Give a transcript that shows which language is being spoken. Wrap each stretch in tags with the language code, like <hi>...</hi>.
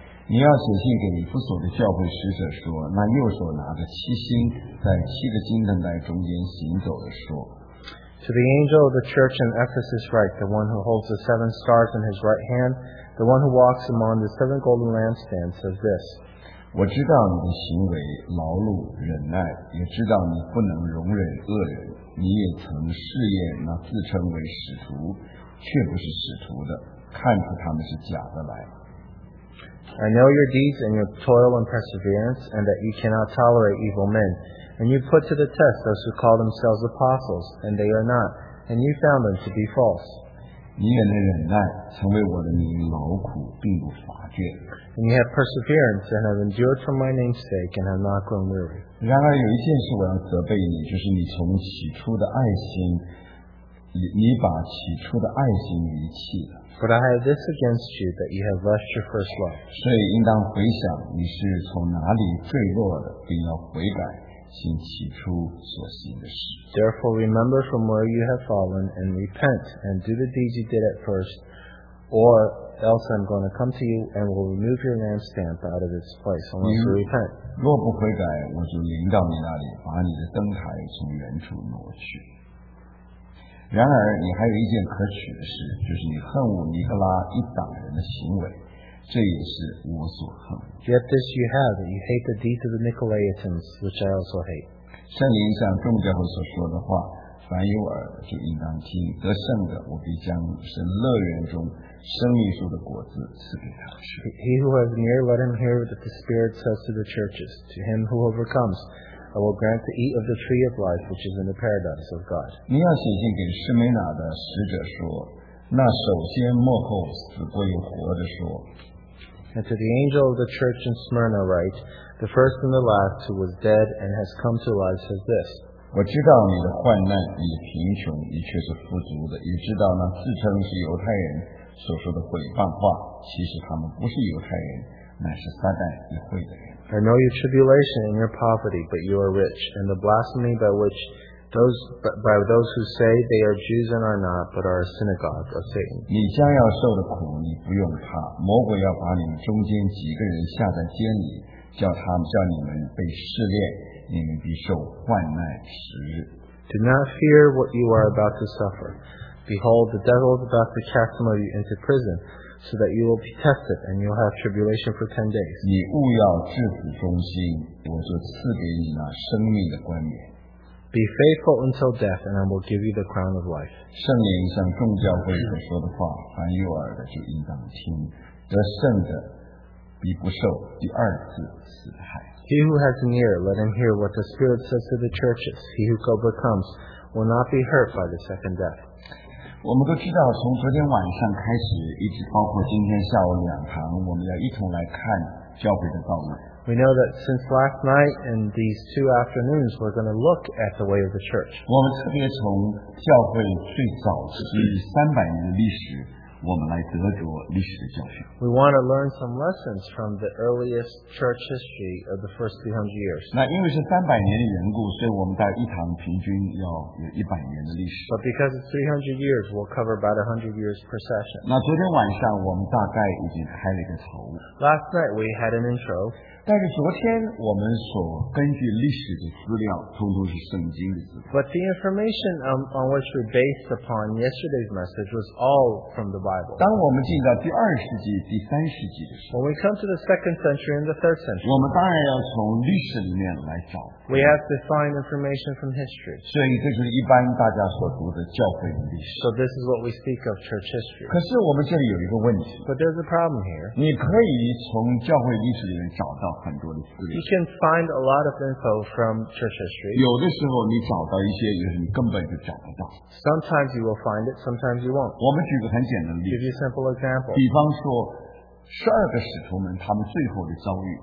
<zh>你要写信给以弗所的教会使者说，那右手拿着七星，在七个金灯台中间行走的说。</zh> <en>To the angel of the church in Ephesus write, the one who holds the seven stars in his right hand, the one who walks among the seven golden lampstands, says this.</en> <zh>我知道你的行为，劳碌忍耐，也知道你不能容忍恶人。你也曾试验那自称为使徒，却不是使徒的，看出他们是假的来。</zh> <en>I know your deeds and your toil and perseverance, and that you cannot tolerate evil men. And you put to the test those who call themselves apostles, and they are not, and you found them to be false.</en> <zh>你也能忍耐，曾为我的名劳苦，并不乏倦。</zh> <en>And you have perseverance and have endured for my name's sake and have not grown weary.</en> <zh>然而有一件事我要责备你，就是你从起初的爱心，你把起初的爱心遗弃了。</zh> <en>But I have this against you, that you have left your first love.</en> <zh>所以应当回想你是从哪里坠落的，并要悔改，行起初所行的事。</zh> <en>Therefore, remember from where you have fallen and repent and do the deeds you did at first, or else I'm going to come to you and will remove your lampstand out of its place unless you repent.</en> <zh>若不悔改，我就临到你那里，把你的灯台从原处挪去。然而你还有一件可取的事，就是你恨恶尼格拉一党人的行为，这也是我所恨。</zh> <en>Yet this you have, you hate the deeds of the Nicolaitans, which I also hate.</en> <zh>圣灵向众教会所说的话，凡有耳的就应当听。得胜的，我必将神乐园中生命树的果子赐给他。</zh> <en>He who has an ear, let him hear what the Spirit says to the churches. To him who overcomes. I will grant to eat of the tree of life, which is in the paradise of God.</en> <zh>你要写信给施美拿的使者说，那首先末后死过又活的说。</zh> <en>And to the angel of the church in Smyrna write, the first and the last who was dead and has come to life says this.</en> <zh>我知道你的患难，你的贫穷，你却是富足的，也知道那自称是犹太人所说的毁谤话，其实他们不是犹太人，乃是撒旦一会的人。</zh> <en>I know your tribulation and your poverty, but you are rich, and the blasphemy by those who say they are Jews and are not, but are a synagogue of Satan.</en> <zh>你将要受的苦，你不用怕。魔鬼要把你们中间几个人下在监里，叫你们被试炼，你们必受患难时日。</zh> <en>Do not fear what you are about to suffer. Behold, the devil is about to cast some of you into prison. So that you will be tested and you will have tribulation for 10 days.</en> <zh>你务要至死忠心，我就赐给你那生命的冠冕。</zh> <en>Be faithful until death, and I will give you the crown of life.</en> <zh>圣灵向众教会所说的话，凡有耳的就应当听。得胜的必不受第二次死害。</zh> <en>He who has an ear, let him hear what the Spirit says to the churches. He who overcomes will not be hurt by the second death.</en> <zh>我们都知道，从昨天晚上开始，一直包括今天下午两堂，我们要一同来看教会的道路。</zh> <en>We know that since last night and these two afternoons, we're going to look at the way of the church.</en> <zh>我们特别从教会最早是300年的历史，我们来得着历史的教训。</zh> <en>We want to learn some lessons from the earliest church history of the first 300 years.</en> <zh>那因为是300年的缘故，所以我们在一堂平均要有100年的历史。</zh> <en>But because it's 300 years, we'll cover about 100 years per session.</en> <zh>那昨天晚上我们大概已经开了一个头。</zh> <en>Last night we had an intro.</en> <zh>但是昨天我们所根据历史的资料，通通是圣经的资料。</zh> <en>But the information on which we based upon yesterday's message was all from the Bible.</en> <zh>当我们进到第二世纪。第三世纪的时候</zh> <en>When we come to the second century and the third century,</en> <zh>我们当然要从历史里面来找。</zh> <en>We have to find information from history.</en> <zh>所以这就是一般大家所读的教会的历史。</zh> <en>So this is what we speak of church history.</en> <zh>可是我们这里有一个问题。</zh> <en>But there's a problem here.</en> <zh>你可以从教会历史里面找到很多的资料。</zh> <en>You can find a lot of info from church history.</en> <zh>有的时候你找到一些，你根本就找不到。</zh> <en>Sometimes you will find it, sometimes you won't.</en> <zh>我们举个很简单的例子。</zh> <en>Give you a simple example.</en> <zh>比方说。 12个使徒们他们最后的遭遇。</zh>